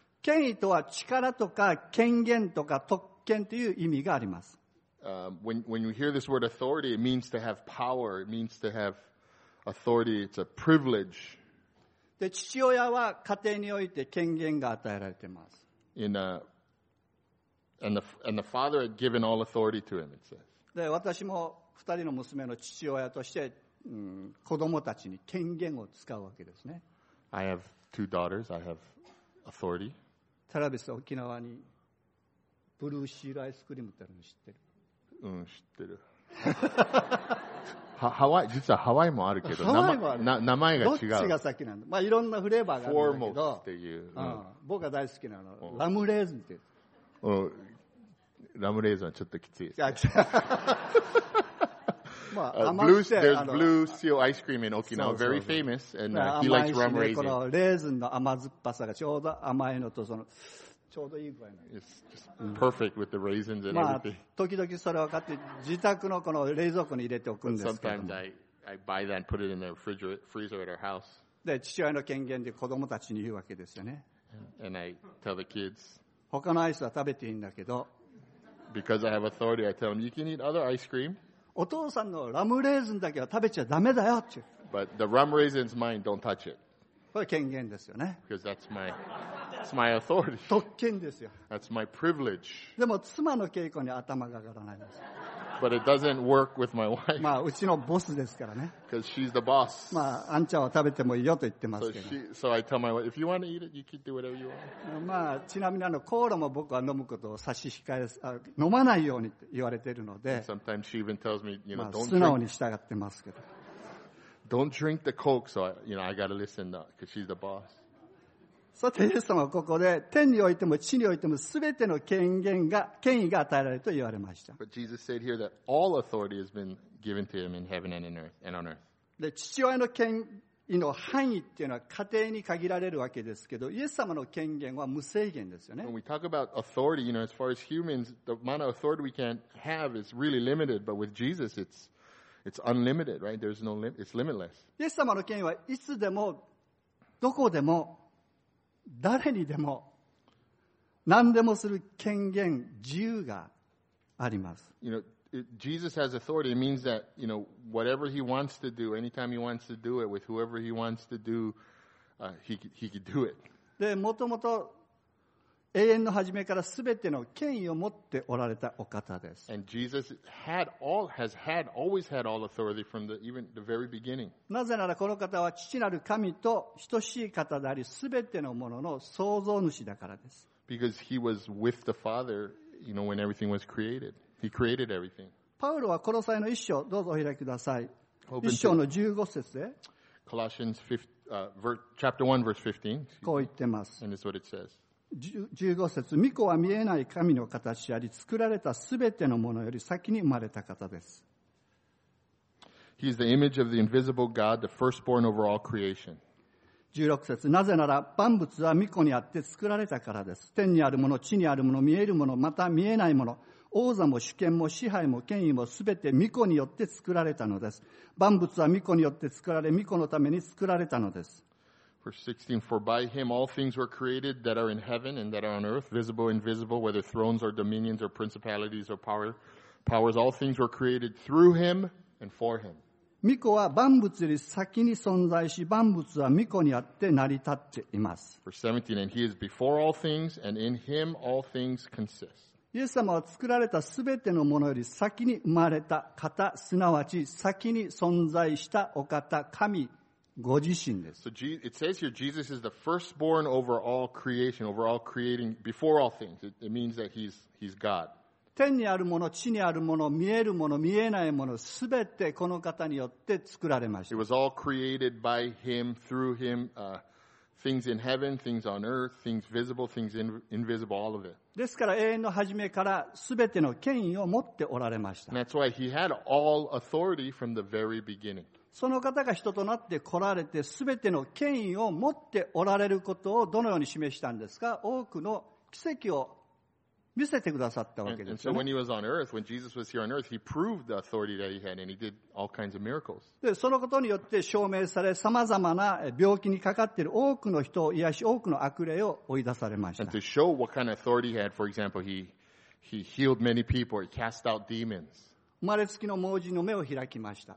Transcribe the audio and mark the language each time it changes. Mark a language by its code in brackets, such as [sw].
[ja] 権威とは力とか権限とか特権という意味があります。 [en] When you hear this word authority, it means to have power. It means to have authority. It's a privilege. [ja] で、父親は家庭において権限が与えられています。 [en] And the father had given all authority to him, it says. [ja] で、私も二人の娘の父親として、子供たちに権限を使うわけですね。 [en] I have two daughters. I have authority. [ja] タラビス、沖縄にブルーシールアイスクリームってあるの知ってる？うん、知ってる。ハワイ、実はハワイもあるけど、名前が違う。どっちが先なんだ。まあいろんなフレーバーがあるんだけど。フォーモスっていう。うん、僕が大好きなの、ラムレーズンっていう。ラムレーズンはちょっときついです、ね。いや、違う。 [en] まあ、There's blue seal ice cream in Okinawa, very famous, and he likes rum raisin. [ja] このレーズンの甘酸っぱさがちょうど甘いのと、その、ちょうどいい具合なの。 [en] It's just perfect with the raisins and everything. [ja] まあ、時々それを買って、自宅のこの冷蔵庫に入れておくんですけども。 [en] Sometimes I buy that and put it in the freezer at our house. [ja] で、父親の権限で子供たちに言うわけですよね。 [en] And I tell the kids, [ja] 他のアイスは食べていいんだけど、 [en] Because I have authority, I tell them, you can eat other ice cream. [ja] お父さんのラムレーズンだけは食べちゃダメだよって。 [en] But the rum raisins mine, don't touch it. [ja] これ権限ですよね。 [en] Because that's my authority. [ja] 特権ですよ。 [en] That's my privilege. [ja] でも妻の稽古に頭が上がらないんです。 [en] But it doesn't work with my wife. [ja] まあうちのボスですからね。 [en] Because she's the boss. [ja] まあアンちゃんは食べてもいいよと言ってますけど。 [en] So I tell my wife, if you want to eat it, you can do whatever you want. [ja] まあちなみにコーラも僕は飲むことを差し控え、飲まないようにって言われているので。 [en] Sometimes she even tells me, you know, don't drink. [ja] 素直に従ってますけど。 [en] Don't drink the coke, so you know, I gotta listen to, because she's the boss. [ja] さて、イエス様はここで、天においても地においても全ての権限が、権威が与えられると言われました。 [en] But Jesus said here that all authority has been given to him in heaven and, in earth, and on earth. [ja] で、父親の権威の範囲っていうのは家庭に限られるわけですけど、イエス様の権限は無制限ですよね。 [en] When we talk about authority, you know, as far as humans, the amount of authority we can have is really limited, but with Jesus, it's unlimited, right? There's no limit, it's limitless. [ja] イエス様の権威はいつでも、どこでも、誰にでも何でもする権限、自由があります。 [en] You know, Jesus has authority. It means that, you know, whatever he wants to do, anytime he wants to do it, with whoever he wants to do, he could do it. [ja] で、もともと永遠の初めから全ての権威を持っておられたお方です。 [en] And Jesus had all, has had, always had all authority from the, even the very beginning. [ja] なぜならこの方は父なる神と等しい方であり、全てのものの創造主だからです。 [en] Because he was with the Father, you know, when everything was created. He created everything. [ja] パウロはコロサイの一章、どうぞお開きください。一章の15節で。 [en] Colossians 5, chapter 1, verse 15. [ja] こう言ってます。 [en] And this is what it says. [ja] 15節、御子は見えない神の形であり、作られたすべてのものより先に生まれた方です。 [en] He is the image of the invisible God, the firstborn over all creation. [ja] 16節、なぜなら万物は御子にあって作られたからです。天にあるもの、地にあるもの、見えるもの、また見えないもの、王座も主権も支配も権威もすべて御子によって作られたのです。万物は御子によって作られ、御子のために作られたのです。 [en] Verse 16, for by him all things were created that are in heaven and that are on earth, visible, invisible, whether thrones or dominions or principalities or powers, all things were created through him and for him. [ja] 御子は万物より先に存在し、万物は御子にあって成り立っています。 [en] Verse 17, and he is before all things, and in him all things consist. [ja] イエス様は作られたすべてのものより先に生まれた方、すなわち先に存在したお方、神、ご自身です。 [en] So it says here Jesus is the firstborn over all creation, over all creating, before all things. It means that he's God. [ja] 天にあるもの、地にあるもの、見えるもの、見えないもの、すべてこの方によって作られました。 [en] It was all created by him, through him, things in heaven, things on earth, things visible, things invisible, all of it. [ja] ですから永遠の初めからすべての権威を持っておられました。 [en] And that's why he had all authority from the very beginning. [ja] その方が人となって来られて、すべての権威を持っておられることをどのように示したんですか？多くの奇跡を見せてくださったわけですよね。 [en] And so when he was on earth, when Jesus was here on earth, he proved the authority that he had, and he did all kinds of miracles. [ja] で、そのことによって証明され、さまざまな病気にかかっている多くの人を癒し、多くの悪霊を追い出されました。 [en] And to show what kind of authority he had, for example, he healed many people, he cast out demons. [ja] 生まれつきの盲人の目を開きました。